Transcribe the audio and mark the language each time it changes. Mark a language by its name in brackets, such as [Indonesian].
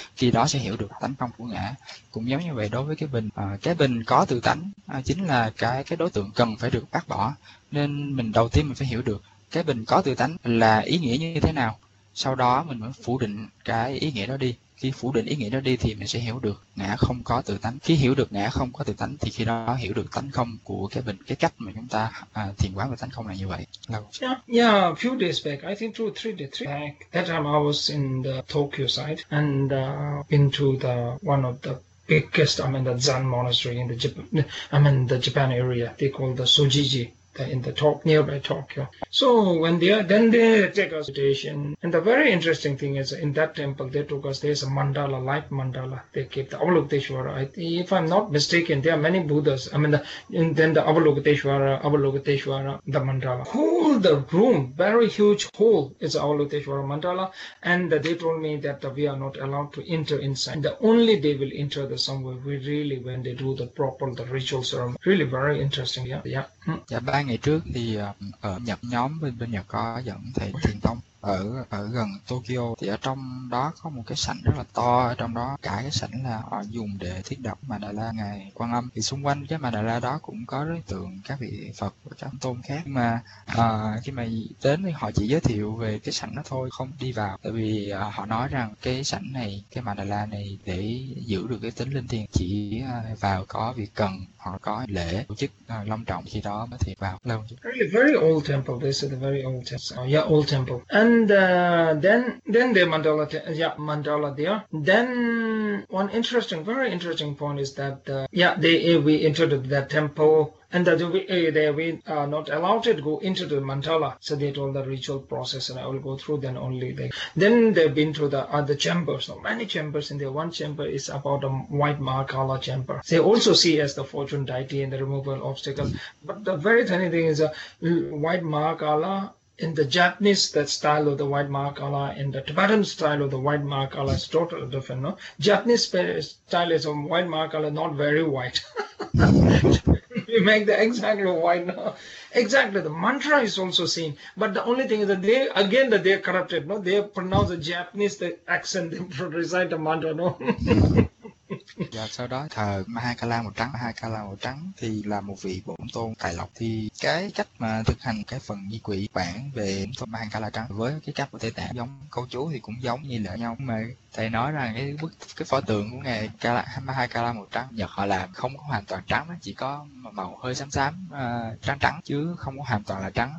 [Vietnamese] Khi đó sẽ hiểu được tánh không của ngã. Cũng giống như vậy đối với cái bình có tự tánh chính là cái đối tượng cần phải được bác bỏ. Nên mình đầu tiên mình phải hiểu được cái bình có tự tánh là ý nghĩa như thế nào. sau đó mình mới phủ định cái ý nghĩa đó đi. Khi phủ định ý nghĩa đó đi thì mình sẽ hiểu được ngã không có tự tánh. Khi hiểu được ngã không có tự tánh thì khi đó hiểu được tánh không của cái mình, cái cách mà chúng ta thiền quán về tánh không là như vậy. Lâu. [English] Yeah, a few days back, I think 2 or 3 days back, that time I was in the Tokyo side and into the one of the biggest, I mean, the Zen monastery in the Japan, I mean, the Japan area. They call the Sojiji, in the talk nearby Tokyo. So when they are, then they take a meditation. And the very interesting thing is in that temple, they took us, there's a mandala, light mandala. They keep the Avalokiteshvara. If I'm not mistaken, there are many Buddhas. I mean, then the Avalokiteshvara, the mandala. Cool, the room, very huge hole is Avalokiteshvara mandala. And they told me that we are not allowed to enter inside. The only they will enter the somewhere, we really, when they do the proper, the ritual ceremony. Really very interesting. Yeah, yeah. [Vietnamese] Dạ, 3 ngày trước thì ở Nhật, nhóm bên bên Nhật có dẫn thầy Thiền Tông ở ở gần Tokyo, thì ở trong đó có một cái sảnh rất là to, ở trong đó cả cái sảnh là họ dùng để thiết đặt mandala ngày Quan Âm. Thì xung quanh cái mandala đó cũng có đối tượng các vị Phật và các tôn khác, nhưng mà khi mà đến thì họ chỉ giới thiệu về cái sảnh đó thôi, không đi vào, tại vì họ nói rằng cái sảnh này, cái mandala này để giữ được cái tính linh thiêng, chỉ vào có việc cần hoặc có lễ tổ chức long trọng khi đó mới thì vào. Lâu chứ. [English] Really very old temple, this is a very old temple. Oh, yeah, old temple. And then the mandala, mandala there. Then one interesting, very interesting point is that we entered that temple. And that we are not allowed to go into the mandala. So they told the ritual process and I will go through then only. Then they've been through the other chambers. So many chambers in there. One chamber is about a white Mahakala chamber. They also see as the fortune deity and the removal obstacles. But the very funny thing is a white Mahakala. In the Japanese, that style of the white Mahakala, in the Tibetan style of the white Mahakala is totally different, no? Japanese style is a white Mahakala, not very white. You make the exactly white, no? Exactly, the mantra is also seen. But the only thing is that they, again, that they are corrupted, no? They pronounce the Japanese the accent, they recite the mantra, no? [Vietnamese] Và sau đó thờ Mahakala màu trắng. Mahakala màu trắng thì là một vị bổn tôn tài lộc. Thì cái cách mà thực hành cái phần nghi quỷ bản về Mahakala trắng với cái cách của Tây Tạng giống câu chú thì cũng giống như lẫn nhau. Mà thầy nói rằng cái bức cái pho tượng của ngài Mahakala màu trắng Nhật họ làm không có hoàn toàn trắng, chỉ có màu hơi xám xám, trắng trắng chứ không có hoàn toàn là trắng.